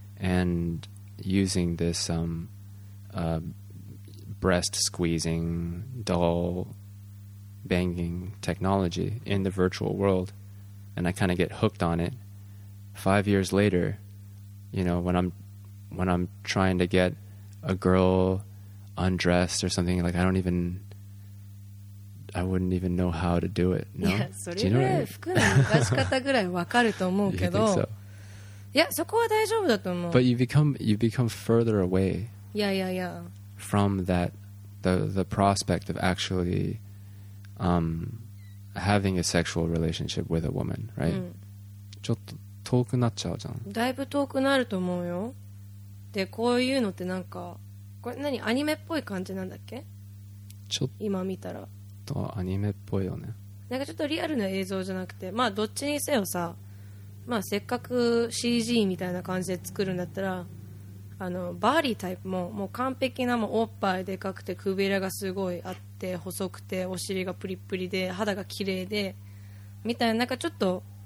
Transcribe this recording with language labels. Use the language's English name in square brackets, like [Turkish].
[English] and using this、breast squeezing, doll banging technology in the virtual world and I kind of get hooked on it. 5 years later,You know, when I'm trying to get a girl undressed or something, like, I wouldn't even know how to do it, no? [Japanese] Yeah, それで服の脱がし方ぐらいわかると思うけど。 [English] You think so? [Japanese] いや、そこは大丈夫だと思う。 [English] But you become further away. Yeah, yeah, yeah. From that, the prospect of actually, having a sexual relationship with a woman, right? [Japanese] ちょっと遠くなっちゃうじゃん。だいぶ遠くなると思うよ。で、こういうのってなんかこれ何アニメっぽい感じなんだっけ？ちょっと今見たらアニメっぽいよね。なんかちょっとリアルな映像じゃなくて、まあどっちにせよさ、まあせっかく CG みたいな感じで作るんだったら、あのバーリータイプももう完璧なもうおっぱいでかくてくびれがすごいあって細くてお尻がプリプリで肌が綺麗でみたいななんかちょっと。